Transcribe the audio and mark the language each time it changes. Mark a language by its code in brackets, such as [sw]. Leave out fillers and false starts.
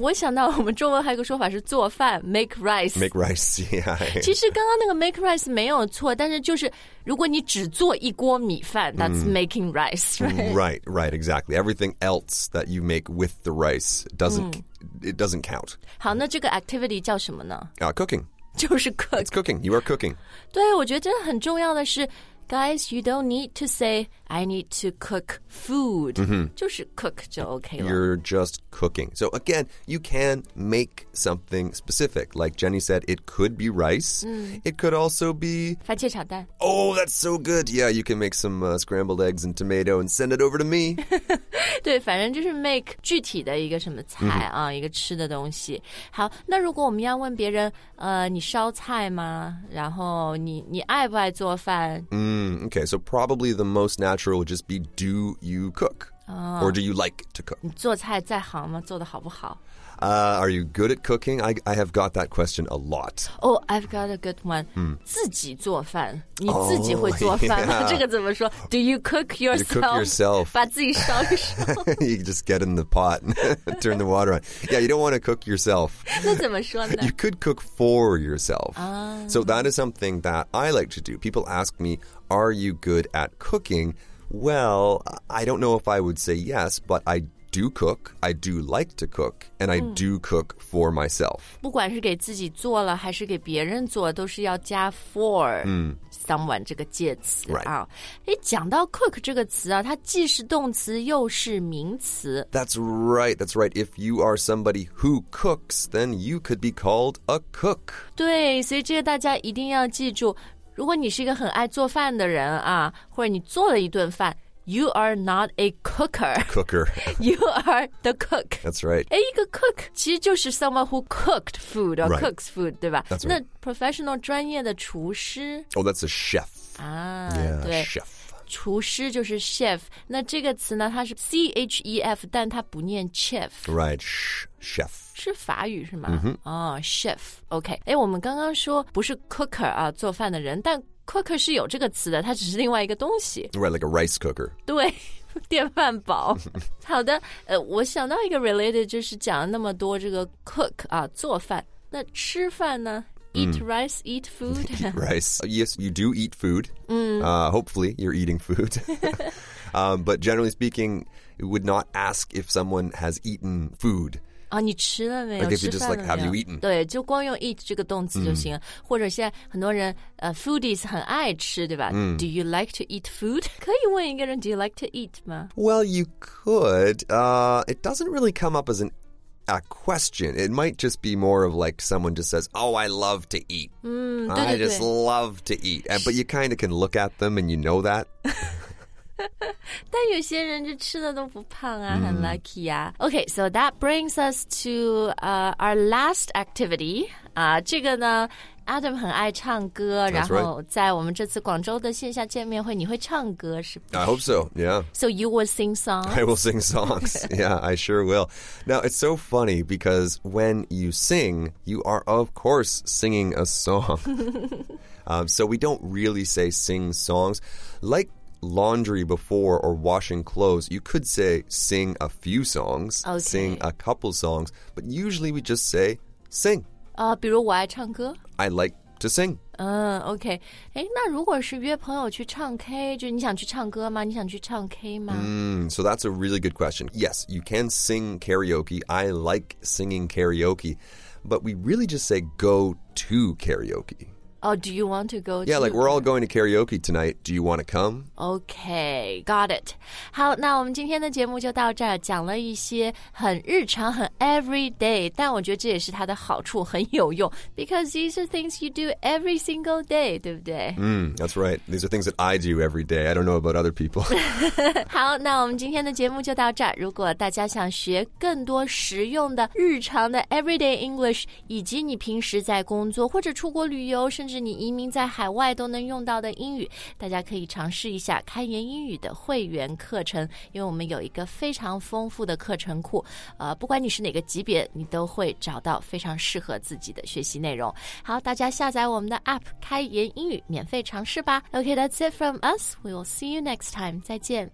[zh] 我想到我们中文还有个说法是做饭 ， [en] make rice. Make rice. Yeah. [zh] 其实刚刚那个 [en] make rice [zh] 没有错，但是就是如果你只做一锅米。 [en] 米饭 that's making rice, right? Right, right, exactly. Everything else that you make with the rice doesn't count. [zh] 好，那这个 activity 叫什么呢？ [en] Cooking. [zh] 就是 cook. [en] It's cooking. You are cooking. [zh] 对，我觉得真的很重要的是 [en] guys, you don't need to say I need to cook food. Mm-hmm. [zh] 就是 cook 就 OK 了。 [en] You're just cooking. So again, you can make something specific. Like Jenny said, it could be rice. Mm. It could also be... [zh] 番茄炒蛋。 [en] Oh, that's so good. Yeah, you can make some scrambled eggs and tomato and send it over to me. [zh] 对，反正就是 make 具体的一个什么菜啊、mm-hmm. 一个吃的东西。好，那如果我们要问别人你烧菜吗？然后你爱不爱做饭？ [en] Okay, so probably the most natural would just be, do you cook?、Or do you like to cook? [zh] 你做菜在行吗？做得好不好？ [en] Are you good at cooking? I have got that question a lot. Oh, I've got a good one.、 Mm. [zh] 自己做饭，你自己会做饭吗、 [en] oh, yeah. [zh] 这个怎么说？ [en] Do you cook yourself? You cook yourself. [zh] 把自己烧一烧。 [en] You just get in the pot and turn the water on. Yeah, you don't want to cook yourself. [zh] 那怎么说呢？ [en] You could cook for yourself.、 Uh. So that is something that I like to do. People ask me, are you good at cooking? Well, I don't know if I would say yes, but I do cook, I do like to cook, and I do cook for myself. [zh] 不管是给自己做了还是给别人做都是要加 [en] for someone [zh] 这个介词、 [en] right. [zh] 啊、讲到 cook 这个词、啊、它既是动词又是名词。 [en] That's right. If you are somebody who cooks, then you could be called a cook. [zh] 对，所以这个大家一定要记住，如果你是一个很爱做饭的人啊，或者你做了一顿饭， [en] You are not a cooker. Cooker. You are the cook. That's right. 一个 cook [zh] 其实就是 [en] someone who cooked food or、 right. cooks food, [zh] 对吧 [en] That's right. [zh] 那 professional 专业的厨师 [en] Oh, that's a chef. 啊、 yeah, [zh] 对 [en] chef. [zh] 厨师就是 chef. 那这个词呢它是 C-H-E-F, 但它不念 chef. [en] Right, chef. [zh] 是法语是吗、 [en] mm-hmm. [zh] oh, chef OK 我们刚刚说不是 cooker、啊、做饭的人但 cooker 是有这个词的它只是另外一个东西 [en] Right, like a rice cooker [zh] 对电饭煲好的我想到一个 related 就是讲了那么多这个 cook、啊、做饭那吃饭呢 [en] Eat rice, eat food. Eat rice. Yes, you do eat food.、 Mm. Hopefully, you're eating food. 、but generally speaking, you would not ask if someone has eaten food. [zh] 啊，你吃了没有？吃饭了 [en] Like if you just like, have you eaten? [zh] 对，就光用 eat 这个动词就行了。 Mm. 或者现在很多人foodies 很爱吃，对吧？ Mm. [en] Do you like to eat food? [zh] 可以问一个人 [en] do you like to eat [zh] 吗？ [en] Well, you could. It doesn't really come up as an a question. It might just be more of like someone just says, oh, I love to eat.、 [zh] 嗯、对对对 [en] I just love to eat. But you kind of can look at them and you know that. [zh] 但有些人就吃的都不胖啊、mm. 很 lucky 啊 [en] Okay, so that brings us to our last activity. [zh] 啊、这个呢 Adam 很爱唱歌、 [en] That's、 [zh] 然后、 [en] right. [zh] 在我们这次广州的线下见面会你会唱歌是不是 [en] I hope so, yeah. So you will sing songs? I will sing songs, yeah, I sure will. Now, it's so funny because when you sing, you are of course singing a song. 、so we don't really say sing songs. Like,laundry before or washing clothes, you could say sing a few songs,、 okay. sing a couple songs, but usually we just say sing. [zh] 比如我爱唱歌。 [en] I like to sing. OK. [zh] 那如果是约朋友去唱 K, 就你想去唱歌吗？你想去唱 K 吗？ [en] So that's a really good question. Yes, you can sing karaoke. I like singing karaoke, but we really just say go to karaoke. Oh, do you want to go Yeah, like we're all going to karaoke tonight. Do you want to come? Okay, got it. [zh] 好，那我们今天的节目就到这儿，讲了一些很日常，很 everyday, 但我觉得这也是它的好处，很有用。 [en] Because these are things you do every single day, [zh] 对不对？ [en] That's right. These are things that I do every day. I don't know about other people. [zh] 好，那我们今天的节目就到这儿。如果大家想学更多实用的日常的 [en] everyday English, [zh] 以及你平时在工作或者出国旅游甚至你移民在海外都能用到的英语，大家可以尝试一下开言英语的会员课程，因为我们有一个非常丰富的课程库，不管你是哪个级别，你都会找到非常适合自己的学习内容。好，大家下载我们的 app 开言英语，免费尝试吧。 [en] Okay, that's it from us. We will see you next time. [zh] 再见。